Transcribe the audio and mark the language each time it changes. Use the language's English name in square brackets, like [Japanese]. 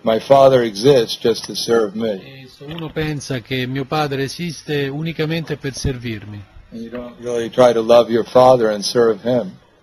[English] my father exists just to serve me. [Italian] Se uno pensa che mio padre esiste unicamente per servirmi. [English] You don't really try to love your father and serve him.